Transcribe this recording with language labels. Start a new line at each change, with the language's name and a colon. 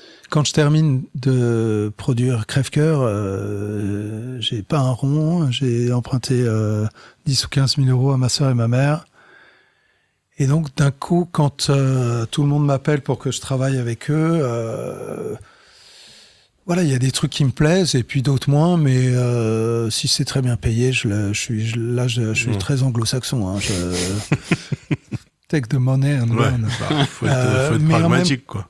French: quand je termine de produire Crève-Cœur, j'ai pas un rond, j'ai emprunté 10 ou 15 000 euros à ma sœur et ma mère. Et donc, d'un coup, quand tout le monde m'appelle pour que je travaille avec eux, voilà, il y a des trucs qui me plaisent et puis d'autres moins, mais si c'est très bien payé, je suis très anglo-saxon. Hein,
English: take the money and run.
French: Ouais, bah, faut être pragmatique, quoi.